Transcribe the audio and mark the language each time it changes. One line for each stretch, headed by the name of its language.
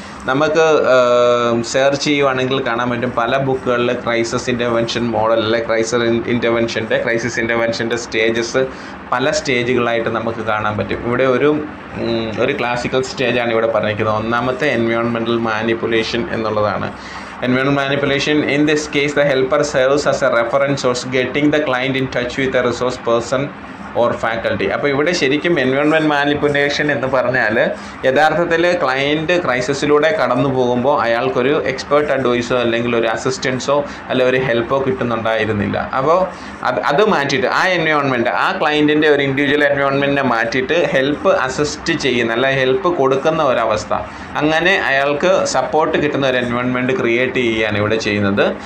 Malayalam: നമുക്ക് സെർച്ച് ചെയ്യുവാണെങ്കിൽ കാണാൻ പറ്റും പല ബുക്കുകളിൽ ക്രൈസിസ് ഇൻ്റർവെൻഷൻ മോഡൽ അല്ലെ ക്രൈസിസ് ഇൻ്റർവെൻഷൻ്റെ സ്റ്റേജസ് പല സ്റ്റേജുകളായിട്ട് നമുക്ക് കാണാൻ പറ്റും. ഇവിടെ ഒരു ക്ലാസിക്കൽ സ്റ്റേജാണ് ഇവിടെ പറഞ്ഞിരിക്കുന്നത്. ഒന്നാമത്തെ എൻവയോൺമെൻ്റൽ മാനിപ്പുലേഷൻ എന്നുള്ളതാണ്.
English: Environmental manipulation, in this case the helper serves as a reference source getting the client in touch with a resource person or faculty.
Malayalam: അപ്പോൾ ഇവിടെ ശരിക്കും എൻവയോൺമെൻറ്റ് മാനിപ്പുലേഷൻ എന്ന് പറഞ്ഞാൽ യഥാർത്ഥത്തിൽ ക്ലയൻറ്റ് ക്രൈസിസിലൂടെ കടന്നു പോകുമ്പോൾ അയാൾക്കൊരു എക്സ്പേർട്ട് അഡ്വൈസോ അല്ലെങ്കിൽ ഒരു അസിസ്റ്റൻസോ അല്ലെ ഒരു ഹെൽപ്പോ കിട്ടുന്നുണ്ടായിരുന്നില്ല. അപ്പോൾ അത് മാറ്റിയിട്ട് ആ എൻവയോൺമെൻറ്റ് ആ ക്ലയൻറ്റിൻ്റെ ഒരു ഇൻഡിവിജ്വൽ എൻവയോൺമെൻറ്റിനെ മാറ്റിയിട്ട് ഹെൽപ്പ് അസിസ്റ്റ് ചെയ്യുന്ന അല്ലെ ഹെൽപ്പ് കൊടുക്കുന്ന ഒരവസ്ഥ, അങ്ങനെ അയാൾക്ക് സപ്പോർട്ട് കിട്ടുന്ന ഒരു എൻവയോൺമെൻറ്റ് ക്രിയേറ്റ് ചെയ്യുകയാണ് ഇവിടെ ചെയ്യുന്നത്.